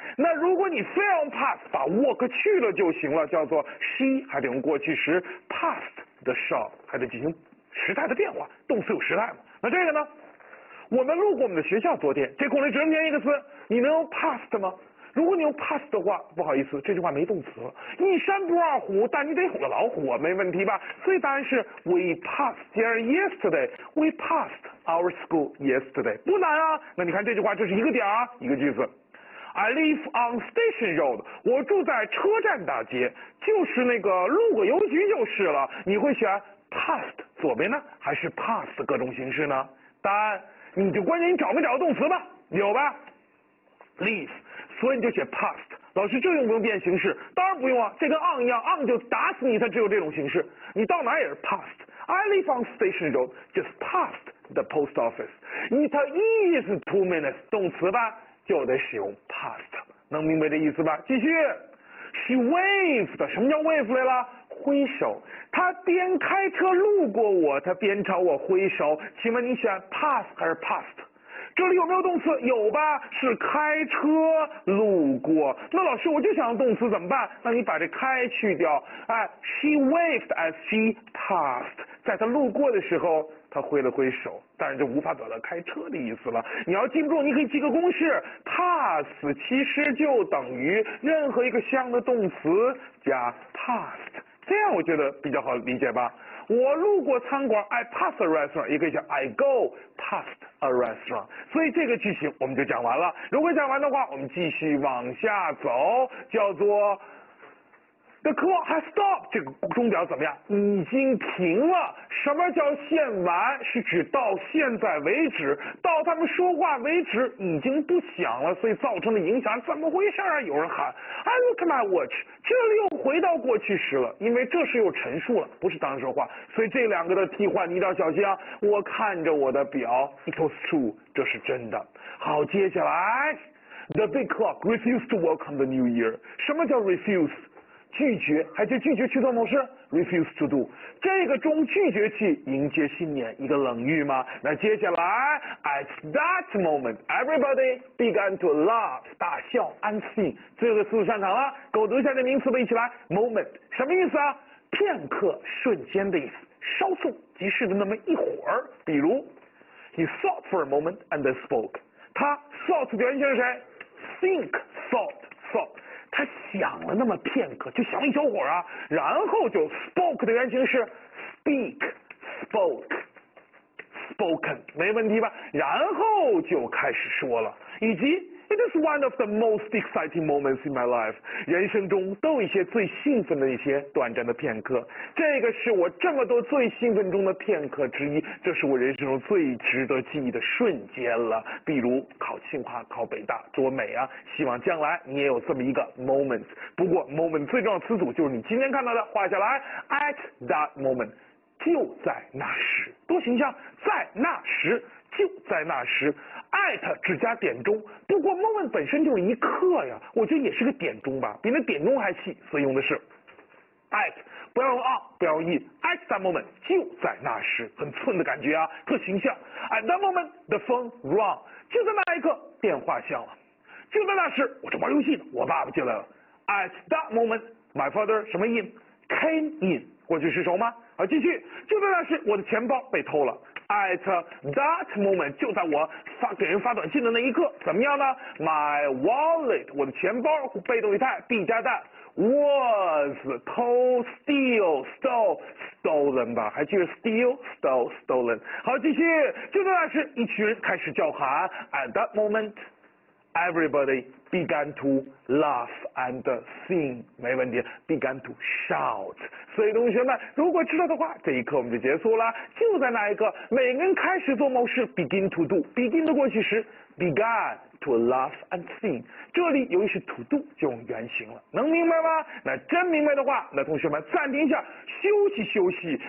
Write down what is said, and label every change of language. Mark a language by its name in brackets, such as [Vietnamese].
[Chinese] 那如果你非要 pass， 把 walk 去了就行了，叫做 she 还得用过去时 [English] passed the shop， [Chinese] 还得进行时态的变化，动词有时态嘛。那这个呢我们路过我们的学校，昨天这孔令只能填一个词，你能用 past 吗？如果你用 pass 的话，不好意思，这句话没动词。一山不二虎，但你得有个老虎，没问题吧？所以答案是 [English] we passed here yesterday. We passed our school yesterday. [Chinese] 不难啊。那你看这句话，这是一个点啊，一个句子。 [English] I live on Station Road. [Chinese] 我住在车站大街，就是那个路过邮局就是了。你会选 passed 左边呢，还是 passed 各种形式呢？答案，你就关键你找没找到动词吧？有吧 ？Live。所以你就写 past， 老师这用不用变形式？当然不用啊，这跟 on 一样， on 就打死你，它只有这种形式。你到哪也是 past。 [English] I live on Station Road, just past the post office. It is 2 minutes [Chinese] 动词吧，就得使用 past， 能明白这意思吧？继续 ，She waved， 什么叫 wave 来了？挥手，他边开车路过我，他边朝我挥手。请问你选 past 还是 past？ 这里有没有动词？有吧，是开车路过。那老师，我就想要动词怎么办？那你把这开去掉。哎 ， [English] She waved as she passed， [Chinese] 在她路过的时候，她挥了挥手，但是就无法表达开车的意思了。你要记不住，你可以记个公式 ：pass 其实就等于任何一个相应的动词加 passed， 这样我觉得比较好理解吧。我路过餐馆 ， [English] I pass a restaurant， [Chinese] 也可以叫 [English] I go past a restaurant。 [Chinese] 所以这个句型我们就讲完了。如果讲完的话，我们继续往下走，叫做 [English] the clock has stopped， [Chinese] 这个钟表怎么样？已经停了。什么叫现完？是指到现在为止，到他们说话为止已经不响了，所以造成的影响。怎么回事啊？有人喊 [English] I look at my watch， [Chinese] 这里又回到过去时了，因为这是又陈述了，不是当时的话。所以这两个的替换你一定要小心啊。我看着我的表， [English] it was true， [Chinese] 这是真的。好，接下来 [English] the big clock refused to welcome the new year。 [Chinese] 什么叫 refuse？拒绝，还是拒绝去做某事 ？Refuse to do。这个钟拒绝去迎接新年，一个冷遇吗？那接下来 ， [English] at that moment， everybody began to laugh， [Chinese] 大笑 ，unseen。最后四组上场了，给我读一下这名词，背起来 ，moment， 什么意思啊？片刻、瞬间的意思，稍纵即逝的那么一会儿。比如 [English] ，he thought for a moment and then spoke。 [Chinese] 他 thought 的原型是谁 ？think， thought， thought。他想了那么片刻，就想一小会儿啊，然后就 spoke 的原型是 speak， spoke， spoken， 没问题吧？然后就开始说了，以及 [English] it is one of the most exciting moments in my life， [Chinese] 人生中都有一些最兴奋的一些短暂的片刻，这个是我这么多最兴奋中的片刻之一，这是我人生中最值得记忆的瞬间了。比如考清华、考北大，多美啊！希望将来你也有这么一个 moment。不过 moment 最重要的词组就是你今天看到的，画下来 [English] at that moment， [Chinese] 就在那时，多形象，在那时，就在那时。 at 只加点钟，不过 moment 本身就是一刻呀，我觉得也是个点钟吧，比那点钟还细，所以用的是 at。不要用 on， 不要用 in， [English] at that moment [Chinese] 就在那时，很寸的感觉啊，特形象。 [English] at that moment the phone rang， [Chinese] 就在那一刻电话响了。就在那时我正玩游戏呢，我爸爸进来了。 [English] at that moment my father 什么 in came in， [Chinese] 过去式熟吗？好，继续。就在那时我的钱包被偷了。 [English] at that moment [Chinese] 就在我发给人发短信的那一刻，怎么样呢？ [English] my wallet [Chinese] 我的钱包被动语态 [English] be 加that was told steal stole stolen 吧， [Chinese] 还记得 [English] steal stole stolen。 [Chinese] 好，继续。就在那时一群人开始叫喊。 [English] at that moment everybody began to laugh and sing， [Chinese] 没问题， [English] began to shout。 [Chinese] 所以同学们，如果知道的话，这一刻我们就结束了。就在那一刻每个人开始做某事， [English] begin to do， [Chinese] begin 的过去时 began to laugh and sing， 这里由于是 to do 就用原型了，能明白吗？那真明白的话，那同学们暂停一下休息休息。